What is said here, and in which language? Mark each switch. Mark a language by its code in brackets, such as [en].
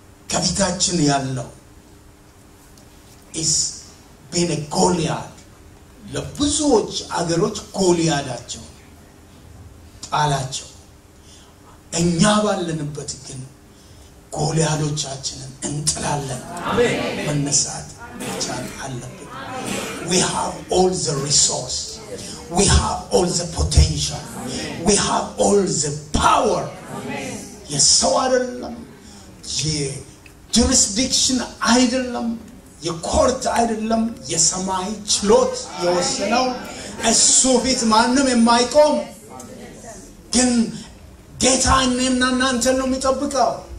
[am] ከፊታችን ያለው [en] is been a Goliath. [am] ለብዙዎች አገሮች ጎልያዳቸው ጣላቸው። እኛ ባለንበት ግን ጎልያዶቻችንን እንጥላለን። አሜን። መነሳት ብቻን አለብን። [en] We have all the resources. We have all the potential. We have all the power. Amen. [am] የሰው አይደለም የjurisdiction አይደለም የcourt አይደለም የሰማይ ችሎት የወሰነው እሱ ፊት ማንም የማይቆም ግን ጌታ እኔና እናንተ ነው የሚጠብቀው።